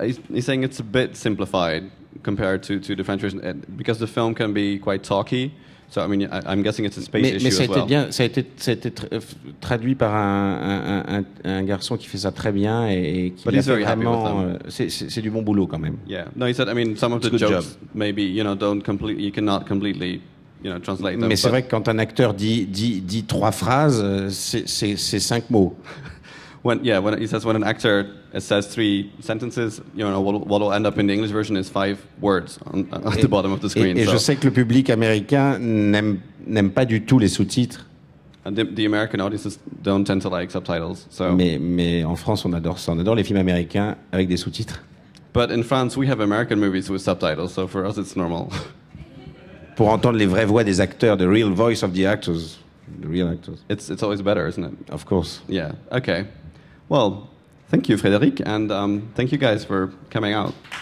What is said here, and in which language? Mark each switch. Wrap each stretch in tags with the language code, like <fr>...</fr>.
<en>He's saying it's a bit simplified compared to the French version, because the film can be quite talky, so I mean I'm guessing it's a space issue as well.</en> <fr>Mais ça a été traduit par un garçon qui fait ça très bien et qui l'a fait vraiment. C'est du bon boulot quand même.</fr> <en>Yeah. No, he said I mean some of the jokes maybe you cannot completely translate them.</en> <fr>Mais c'est vrai que quand un acteur dit trois phrases, c'est cinq mots.</fr> <en>When an actor says three sentences, what will end up in the English version is five words at the bottom of the screen.</en> <fr>Et je sais que le public américain n'aime pas du tout les sous-titres.</fr> <en>And the American audiences don't tend to like subtitles. So.</en> <fr>Mais en France, on adore ça. On adore les films américains avec des sous-titres.</fr> <en>But in France, we have American movies with subtitles, so for us, it's normal.</en> <fr>Pour entendre les vraies voix des acteurs,</fr> <en>the real voice of the actors, It's always better, isn't it? Of course. Yeah. Okay. Well, thank you, Frédéric, and thank you guys for coming out.</en>